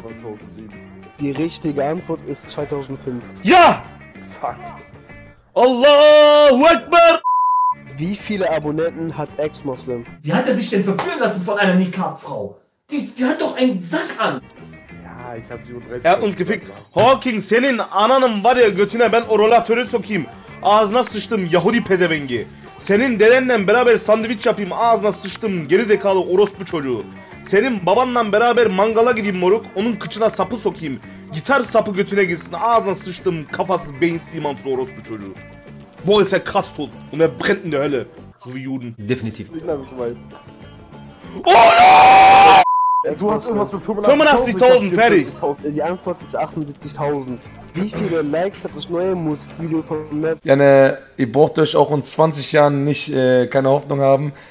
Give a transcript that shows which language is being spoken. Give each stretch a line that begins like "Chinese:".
German: 2007. Die richtige Antwort ist 2005. Ja!
English: Fuck.
Arabic: Allahu Akbar!
German: Wie viele Abonnenten hat Ex-Muslim? Wie hat er sich denn verführen lassen von einer Niqab-Frau? Die hat doch einen Sack an! Ich hab sie unrecht. Er hat uns gefickt.
Turkish: Hawking, senin ananın var ya götüne ben o rolatörü sokayım. Ağzına sıçtım Yahudi pezevengi. Senin dedenle beraber sandviç yapayım. Ağzına sıçtım gerizekalı orospu çocuğu. Senin babanla beraber mangala gideyim moruk. Onun kıçına sapı sokayım. Gitar sapı götüne girsin. Ağzına sıçtım kafasız beyinsiz imamsız orospu çocuğu.
German: Wo ist der Kastel? Und er brennt in der Hölle. Für Juden. Definitiv.
English: Oh no!
German: Du hast irgendwas mit 85.000, fertig! Die Antwort ist 78.000. Wie viele Likes hat das neue Musikvideo von Matt? Ja, ne, ihr braucht euch auch in 20 Jahren nicht keine Hoffnung haben.